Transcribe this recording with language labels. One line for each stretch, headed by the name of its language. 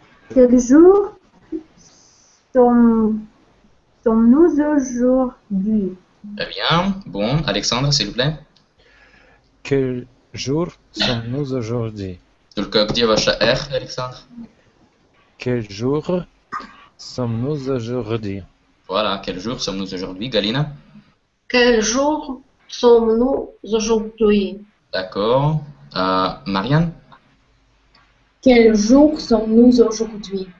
French: Quel jour sommes-nous aujourd'hui? Très bien. Bon, Alexandre, s'il vous plaît. Quel jour sommes-nous aujourd'hui?
Russian: Только где ваша R, Alexandre?
French: Quel jour sommes-nous aujourd'hui? Voilà, quel jour sommes-nous aujourd'hui, Galina? Quel jour sommes-nous aujourd'hui? D'accord. Marianne? Quel jour sommes-nous aujourd'hui?